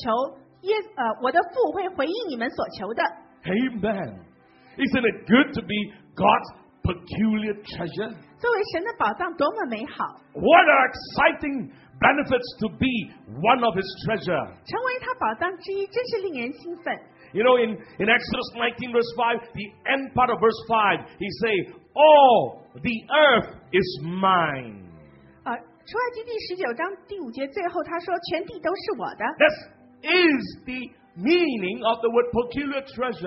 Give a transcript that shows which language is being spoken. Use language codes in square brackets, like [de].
[zh] 在约翰福音16章,耶稣说,到那日呢,你们会向我求,我的父会回应你们所求的。 [en] Amen. Isn't it good to be God's peculiar treasure? [zh] 作为神的宝藏多么美好。 [en] What are exciting benefits to be one of his treasure? [zh] 成为他宝藏之一,真是令人兴奋。 [en] You know, in Exodus 19 verse 5, the end part of verse 5, he says, all the earth is mine. [zh] 出埃及第19章第5节最后他说, [en] this is the meaning of the word peculiar treasure.